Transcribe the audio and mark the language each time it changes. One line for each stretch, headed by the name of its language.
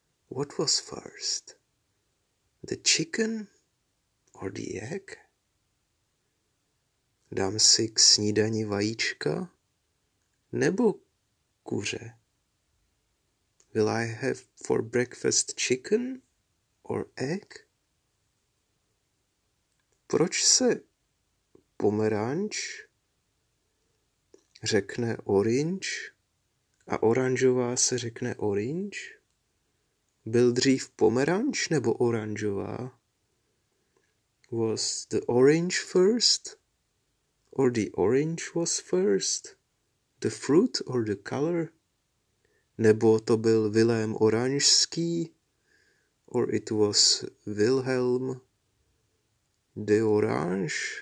English: What was first? The chicken? Or the egg?
Czech: Dám si k snídani vajíčka? Nebo kuře?
English: Will I have for breakfast chicken? Or egg?
Czech: Proč se pomeranč řekne orange a oranžová se řekne orange? Byl dřív pomeranč nebo oranžová?
English: Was the orange first? Or the orange was first? The fruit or the color?
Czech: Nebo to byl Vilém Oranžský?
English: Or it was Wilhelm de Orange?